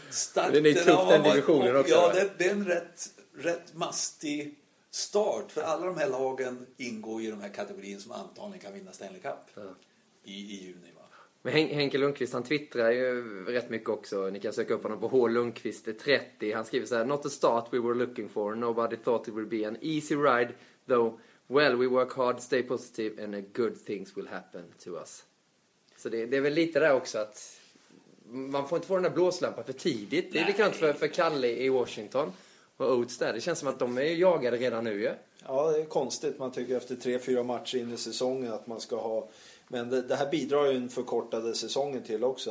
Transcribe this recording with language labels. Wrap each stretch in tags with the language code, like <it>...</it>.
<sv>starten är tuff, den divisionen också. Ja, det är en rätt mastig start, för alla de här lagen ingår i de här kategorin som antagligen kan vinna Stanley Cup i juni. Va? Men Henke Lundqvist, han twittrar ju rätt mycket också. Ni kan söka upp honom på HLundqvist30.</sv> <en>Han skriver så här: not a start we were looking for. Nobody thought it would be an easy ride though. Well, we work hard, stay positive and good things will happen to us.</en> <sv>Så det är väl lite där också att man får inte få den där blåslampan för tidigt. Nej. Det är likadant för Kalle i Washington. Och Oates där, det känns som att de är jagade redan nu. Ja, ja, det är konstigt. Man tycker efter 3-4 matcher in i säsongen att man ska ha... Men det här bidrar ju en förkortade säsongen till också.</sv>